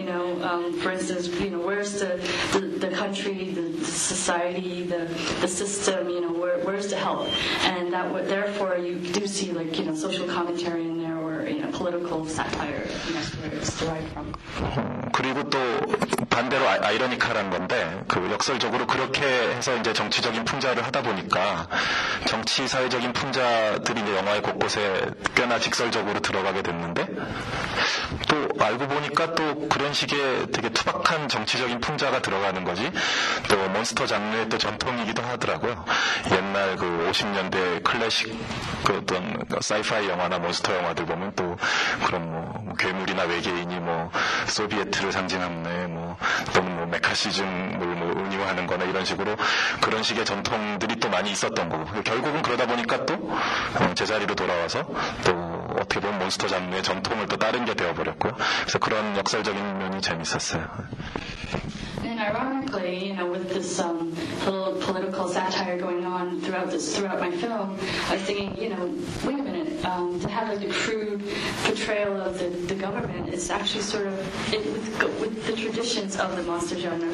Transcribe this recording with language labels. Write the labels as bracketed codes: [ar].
[en] You know, for instance, you know, where's the country, the society, the system, you know, where's the help? And that would, therefore you do see, like, you know, social commentary in there or, you know, political satire, and that's where it's derived from. [ko] 그리고 또 반대로 아이러니컬한 건데 그 역설적으로 그렇게 해서 이제 정치적인 풍자를 하다 보니까 정치 사회적인 풍자들이 이제 영화의 곳곳에 꽤나 직설적으로 들어가게 됐는데 또 알고 보니까 또 그런 식의 되게 투박한 정치적인 풍자가 들어가는 거지 또 몬스터 장르의 또 전통이기도 하더라고요. 옛날 그 50년대 클래식 그 어떤 사이파이 영화나 몬스터 영화들 보면 또 그런 뭐 괴물이나 외계인이 뭐 소비에트를 상징하네 뭐 또는 뭐 메카시즘을 뭐 은유하는 거나 이런 식으로 그런 식의 전통들이 또 많이 있었던 거고 결국은 그러다 보니까 또 제자리로 돌아와서 또 어떻게 보면 몬스터 장르의 전통을 또 따른 게 되어버렸고요. 그래서 그런 역설적인 면이 재밌었어요. [en] Ironically, you know, with this little political satire going on throughout my film, I was thinking, you know, wait a minute, to have like a crude portrayal of the government is actually sort of with the traditions of the monster genre.